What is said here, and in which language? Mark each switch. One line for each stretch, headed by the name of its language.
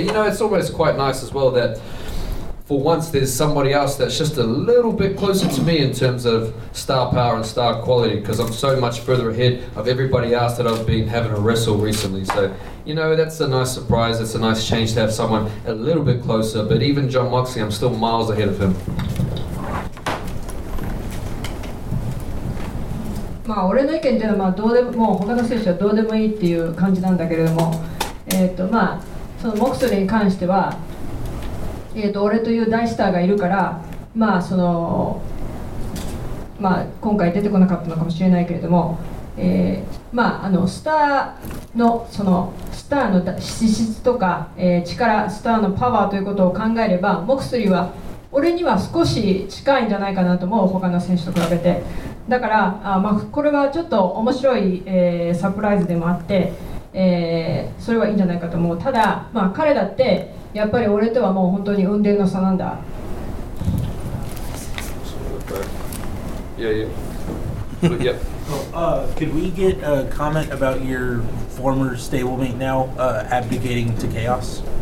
English: You know, it's almost quite nice as well that for once there's somebody else that's just a little bit closer to me in terms of star power and star quality, because I'm so much further ahead of everybody else that I've been having a wrestle recently. So. You know, that's a nice surprise. That's a nice change to have someone a little bit closer. But even John Moxley, I'm still miles ahead of him.
Japanese: まあ、俺の意見というのは、まあ、どうでも、もう他の選手はどうでもいいっていう感じなんだけれども、まあ、そのモクスリーに関しては、俺という大スターがいるから、まあ、その、まあ、今回出てこなかったのかもしれないけれども、まあ、スターの、その、スターの資質とか、力、スターのパワーということを考えれば、モクスリーは俺には少し近いんじゃないかなと思う、他の選手と比べて。だから、まあ、これはちょっと面白い、サプライズでもあって、それはいいんじゃないかと思う。ただ、まあ、彼だってやっぱり俺とはもう本当に雲泥の差なんだ。
English: Could we get a comment about your former stablemate now abdicating to Chaos?